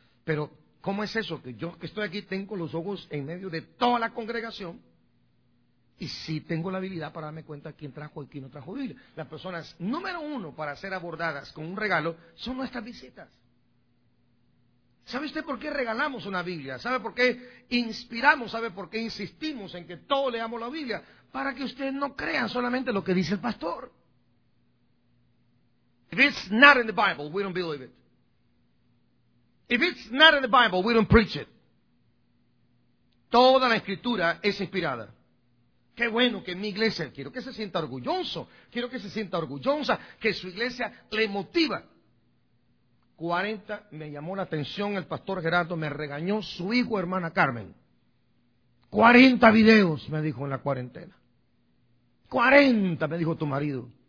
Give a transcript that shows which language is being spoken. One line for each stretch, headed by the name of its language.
Spanish: Pero, ¿cómo es eso? Que yo que estoy aquí tengo los ojos en medio de toda la congregación y sí tengo la habilidad para darme cuenta quién trajo y quién no trajo Biblia. Las personas número uno para ser abordadas con un regalo son nuestras visitas. ¿Sabe usted por qué regalamos una Biblia? ¿Sabe por qué inspiramos? ¿Sabe por qué insistimos en que todos leamos la Biblia? Para que ustedes no crean solamente lo que dice el pastor.
English: If it's not in the Bible, we don't believe it. If it's not in the Bible, we don't preach it.
Spanish: Toda la Escritura es inspirada. Qué bueno que mi iglesia, quiero que se sienta orgulloso, quiero que se sienta orgullosa, que su iglesia le motiva. 40, me llamó la atención el pastor Gerardo, me regañó su hijo, hermana Carmen. 40 videos, me dijo en la cuarentena. 40, me dijo tu marido.